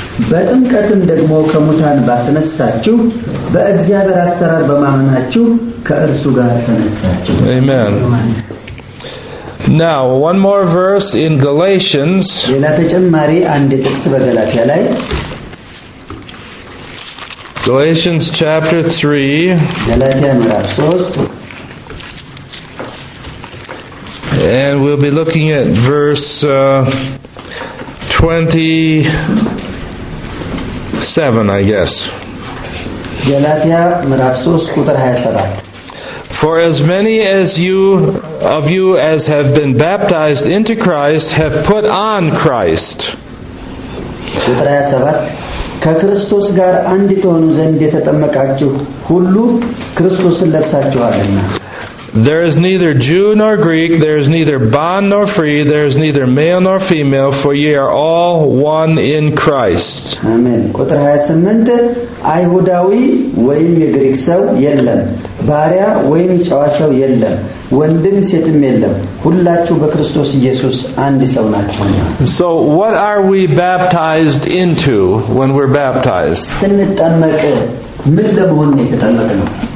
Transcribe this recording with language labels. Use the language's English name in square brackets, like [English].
[Amharic] በጥምቀትም ደግሞ ከሙታን ባስነሳችሁ በእግዚአብሔር አስተራር በማመናችሁ ከእርሱ ጋር ተነሳችሁ [English] Amen. Now, one more verse in Galatians. [Amharic] ሌላ ተጨማሪ አንድ ጥቅስ በገላትያ ላይ [English] Galatians chapter 3 [Amharic] ገላትያ ምዕራፍ 3 [English] And we'll be looking at verse 20 7 I guess [Amharic] Galatia ምዕራፍ 3 ቁጥር 27 [English] For as many as you as have been baptized into Christ have put on Christ [Amharic] ቁጥር 27 ከክርስቶስ ጋር አንድ ተሆኑ ዘንድ የተጠመቃችሁ ሁሉ ክርስቶስን ለብሳችኋልና [English] There is neither Jew nor Greek, there is neither bond nor free, there is neither male nor female, for ye are all one in Christ. Amen. [Amharic] قطر 28 አይሁዳዊ ወይም የግሪክ ሰው የለም ባሪያ ወይም ጨዋ ሰው የለም ወንድም ሴትም የለም ሁላችሁ በክርስቶስ ኢየሱስ አንድ ሰው ናችሁ። [English] So what are we baptized into when we're baptized? [Amharic] ስንጠመቅ ምን ለመሆን ነው የተጠመቅነው?